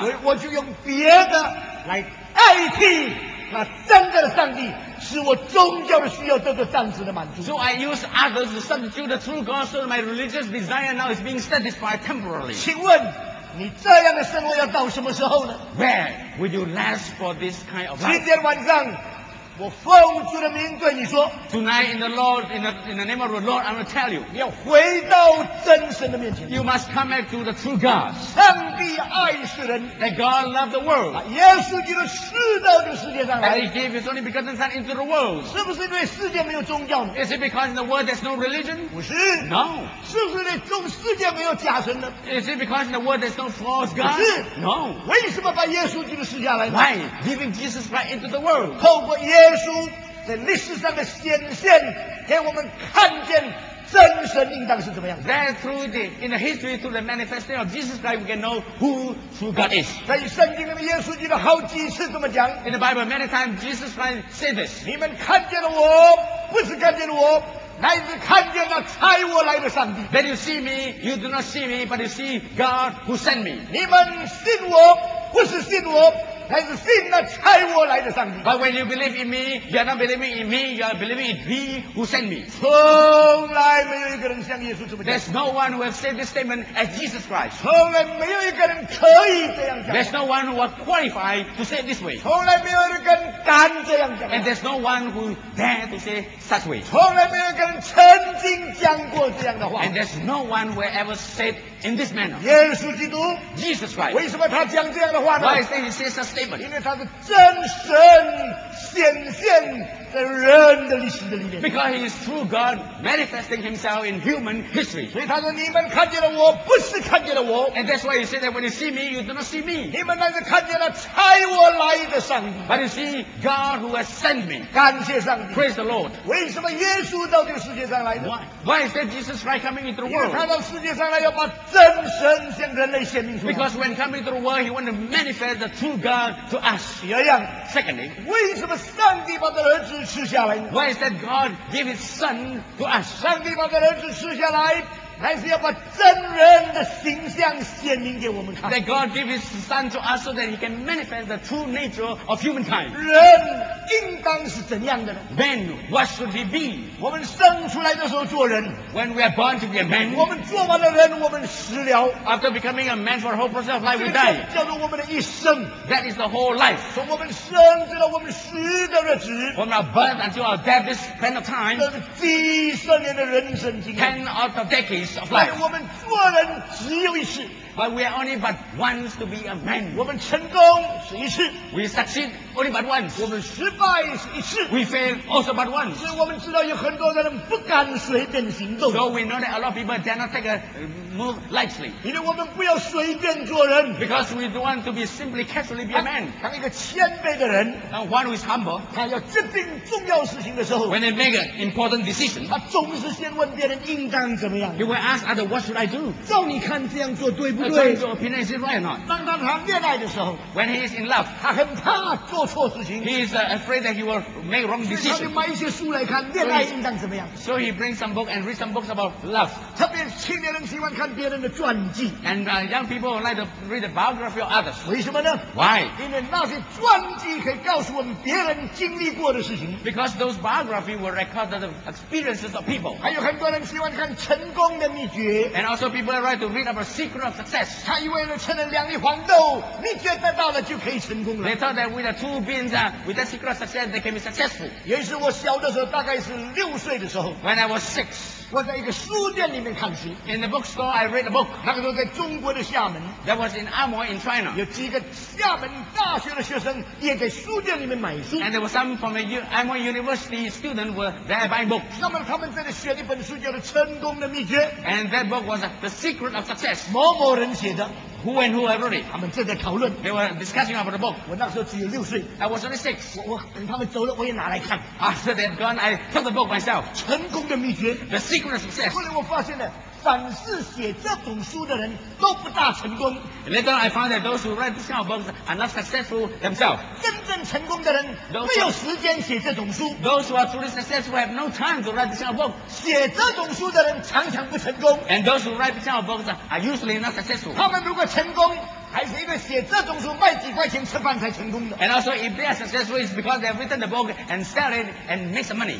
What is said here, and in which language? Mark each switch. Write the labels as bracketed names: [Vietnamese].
[Chinese] 所以我就用别的来代替那真正的上帝。使我宗教的需要得到暂时的满足。 [English] So I use others to substitute the true God, so my religious desire now is being satisfied temporarily. [Chinese] 请问，你这样的生活要到什么时候呢 [English] ？Where will you last for this kind of life? [Chinese] 今天晚上，我奉主的名对你说。 [English] Tonight in the Lord, in the name of the Lord, I'm going to tell you. [Chinese] 你要回到真神的面前。 [English] You must come back to the true God. [Chinese] 上帝爱世人。 [English] That God loved the world. [Chinese] 把耶稣基督赐到这个世界上来。 [English] That He gave His only begotten Son into the world. [Chinese] 是不是对世界没有宗教呢？ [English] Is it because in the world there's no religion? [Chinese] 不是。 [English] No. [Chinese] 是不是对中世界没有假神呢？ [English] Is it because in the world there's no false God? [Chinese] 不是。 [English] No. [Chinese] 为什么把耶稣基督赐下来呢？ [English] Why giving Jesus right into the world? [Chinese] 透过耶稣在历史上的显现，给我们看见。真神应当是怎么样的？ [English] That through the in the history through the manifestation of Jesus Christ, we can know who true God is. [Chinese] 在圣经里面，耶稣基督好几次这么讲。 [English] In the Bible, many times Jesus Christ said this. [Chinese] 你们看见了我，不是看见了我，乃是看见了差我来的上帝。 [English] When you see me, you do not see me, but you see God who sent me. [Chinese] 你们信我，不是信我。乃是信那差我来的上帝。 [English] But when you believe in me, you are not believing in me, you are believing in He who sent me. [Chinese] 从来没有一个人像耶稣这么讲。 [English] There's no one who has said this statement as Jesus Christ. [Chinese] 从来没有一个人可以这样讲。 [English] There's no one who was qualified to say it this way. [Chinese] 从来没有一个人敢这样讲。 [English] And there's no one who dared to say such way. [Chinese] 从来没有一个人曾经讲过这样的话。 [English] And there's no one who ever said in this manner. [Chinese] 耶稣基督。 [English] Jesus Christ. [Chinese] 为什么他讲这样的话呢？ [English] Why is that he says such statement? [Chinese] 因为他是真神显现在人的历史的里面。 [English] Because he is true God manifesting himself in human history. [Chinese] 所以他说你们看见了我，不是看见了我。 [English] And that's why he said that when you see me, you do not see me. [Chinese] 你们乃是看见了差我来的上帝。 [English] But you see God who has sent me. [Chinese] 感谢上帝。 [English] Praise the Lord. [Chinese] 为什么耶稣到这个世界上来的？ [English] Why is that Jesus Christ coming into the world? [Chinese] 因为他到世界上来要把真神向人类显明出来。 [English] Because when coming to the world, he wanted to manifest the true God to us. [Chinese] 第二样。 [English] Secondly. [Chinese] 为什么上帝把他的儿子赐下来呢？ [English] Why is that God give His Son to us? [Chinese] 上帝把他的儿子赐下来，还是要把真人的形象显明给我们看。 [English] That God give His Son to us so that He can manifest the true nature of humankind. [Chinese] 人应当是怎样的呢？ [English] Man, what should he be? [Chinese] 我们生出来的时候做人。 [English] When we are born to be a man. [Chinese] 我们做完了人，我们死了。 [English] After becoming a man for the whole process of life, we die. [Chinese] 叫做我们的一生。 [English] That is the whole life. [Chinese] 从我们生直到我们死的日子。 [English] From our birth until our death, this span of time. [Chinese] 这是几十年的人生经历。 [English] Ten out of decades. Of life. [Chinese] 我们做人只有一次。 [English] But we are only but once to be a man. [Chinese] 我们成功是一次。 [English] We succeed only but once. [Chinese] 我们失败是一次。 [English] We fail also but once. [Chinese] 所以我们知道有很多人不敢随便行动。 [English] So we know that a lot of people dare not take a move lightly. [Chinese] 因为我们不要随便做人。 [English] Because we don't want to be simply casually be a man. [Chinese] 当一个谦卑的人。 [English] And one who is humble. [Chinese] 他要决定重要事情的时候。 [English] When they make an important decision. [Chinese] 他总是先问别人应当怎么样。 [English] He will ask others, what should I do? [Chinese] 照你看这样做对不对？当他谈恋爱的时候 [English] ，When he is in love， [Chinese] 他很怕做错事情。 [English] He is afraid that he will make wrong decision。 [Chinese] 所以他就买一些书来看恋爱应当怎么样。 [English] So he brings some book and read some books about love。 [Chinese] 特别青年人喜欢看别人的传记。 [English] And young people like to read the biography of others。 [Chinese] 为什么呢 [English] ？Why？ [Chinese] 因为那些传记可以告诉我们别人经历过的事情。 [English] Because those biography will record the experiences of people。 [Chinese] 还有很多人喜欢看成功的秘诀。 [English] And also people like to read about secret of success。 [Chinese] 他以为吃了两粒黄豆，你觉得到了就可以成功了。 [English] They thought that with the two beans, with the secret success, they can be successful. [Chinese] 也是我小的时候，大概是六岁的时候。 [English] When I was six, [Chinese] 我在一个书店里面看书。 [English] In the bookstore, I read a book. [Chinese] 那个时候在中国的厦门。 [English] That was in Amoy in China. [Chinese] 有几个厦门大学的学生也在书店里面买书。 [English] And there were some from Amoy University students were there buying books. [Chinese] 那么他们在那学一本书叫做《成功的秘诀》。 [English] And that book was the secret of success. [Chinese] 某某人。写的 [English] ，Who and whoever it， [Chinese] 他们正在讨论 [English] ，They were discussing about the book。 [Chinese] 我那时候只有六岁 [English] ，I was only six。 [Chinese] 我等他们走了，我也拿来看。 [English] After they've gone, I took the book myself。 [Chinese] 成功的秘诀 [English] ，The secret of success。 [Chinese] 后来我发现了。凡是写这种书的人都不大成功。 [English] Later I found that those who write these kind of books are not successful themselves. [Chinese] 真正成功的人没有时间写这种书。 [English] Those who are truly successful have no time to write these kind of books. [Chinese] 写这种书的人常常不成功。 [English] And those who write these kind of books are usually not successful. [Chinese] 他们如果成功还是因为写这种书卖几块钱吃饭才成功的。 [English] And also, if they are successful, it's because they have written the book and sell it and make some money.